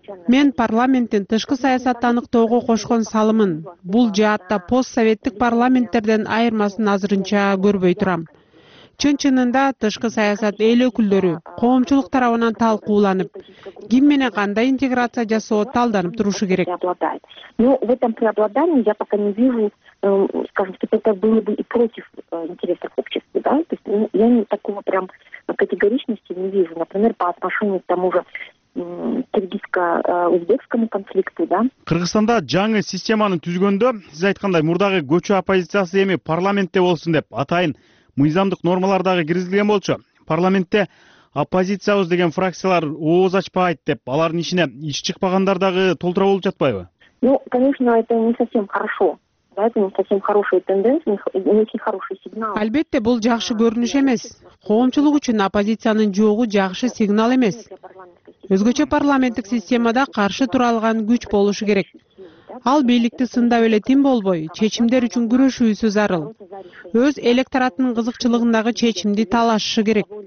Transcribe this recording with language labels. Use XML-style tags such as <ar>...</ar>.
<ky>Мен парламенттин тышкы саясатты аныктоого кошкон салымын бул жаатта постсоветтик парламенттерден айырмасын азырынча көрбөй турам. Чын чынында тышкы саясат эл өкүлдөрү, коомчулук тарабынан талкууланып, ким менен кандай интеграция жасоо талданып турушу керек.</ky> <ru>Ну, в этом преобладании я пока не вижу, скажем, что это было бы и против интересов общества, да? То есть, ну, я не такого прям категоричности не вижу. Например, по отношению к тому же кыргызско-узбекскому конфликту, да?</ru> <ky>Кыргызстанда жаңы системаны түзгөндө, сиз айткандай, мурдагы көчө оппозициясы эми парламентте болсун деп атайын. Мыйзамдык нормалар дагы киргизилген болчу. Парламентте оппозициябыз деген фракциялар ооз ачпайт деп, алардын ишине иш чыкпагандар дагы толтура болуп жатпайбы?</ky> <ru>Ну, конечно, это не совсем хорошо. Да, это не совсем хорошая тенденция, не очень хороший сигнал.</ru> <ky>Албетте, бул жакшы көрүнүш эмес. Коомчулук үчүн оппозициянын жоогу жакшы сигнал эмес. Өзгөчө парламенттик системада каршы тура алган күч болушу керек. Ал бийликти сындап эле тим болбой, чечимдер үчүн күрөшүүсү зарыл. Өз электоратынын кызыкчылыгындагы чечимди талашышы керек.</ky>